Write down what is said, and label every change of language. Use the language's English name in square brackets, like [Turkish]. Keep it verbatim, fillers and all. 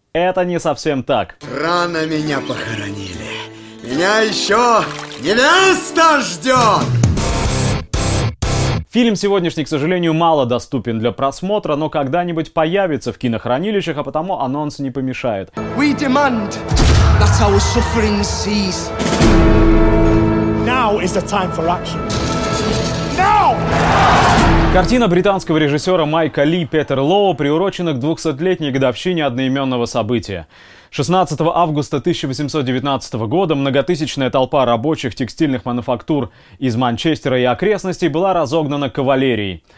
[Russian] Это не совсем так. Рано меня похоронили. Меня еще невеста ждет! Фильм сегодняшний, к сожалению, мало доступен для просмотра, но когда-нибудь появится в кинохранилищах, а потому анонс не помешает. [English] We demand that our suffering cease. Now is the time for action. Now! [Russian] Картина британского режиссера Майка Ли «Петерлоо» приурочена к двухсотлетней годовщине одноименного события. шестнадцатого августа тысяча восемьсот девятнадцатого года многотысячная толпа рабочих текстильных мануфактур из Манчестера и окрестностей была разогнана кавалерией.